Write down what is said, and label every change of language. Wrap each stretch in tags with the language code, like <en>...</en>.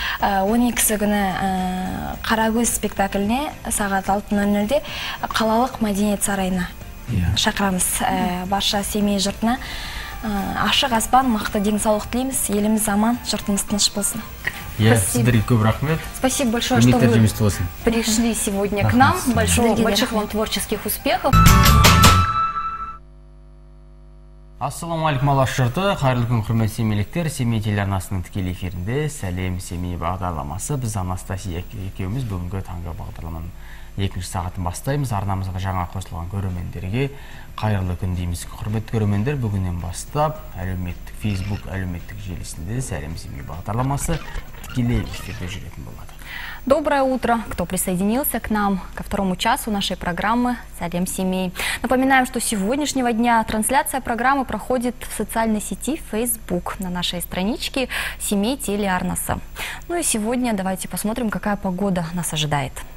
<kk>12-сі күні Қарагөз спектакліне сағат 18:00-де қалалық мәдениет сарайына шақырамыз. Барша Семей жұртына ашық аспан, мықты денсаулық тілейміз, еліміз аман, жұртымыз тыныш болсын. Сіздерге көп рахмет.</kk> <ru>Спасибо большое, что вы пришли сегодня к нам. Больших вам творческих успехов.</ru> <kk>Ассаламу алейкум, алашырты, қайырлы күн, құрметті семейліктер. Семей телеарнасының тікелей эфирінде сәлем семей бағдарламасы. Біз Анастасия екеуміз бүгінгі таңғы бағдарламаның екінші сағатын бастаймыз. Арнамызға жаңа қосылған көрермендерге қайырлы күн дейміз. Құрметті көрермендер, бүгіннен бастап әлеуметтік Facebook әлеуметтік желісінде сәлем семей бағдарламасы тікелей эфирде жүретін болады.</kk> <ru>Доброе утро, кто присоединился к нам ко второму часу нашей программы «Салем семей». Напоминаем, что с сегодняшнего дня трансляция программы проходит в социальной сети Facebook на нашей страничке «Семей Теле Арнаса». Ну и сегодня давайте посмотрим, какая погода нас ожидает.</ru>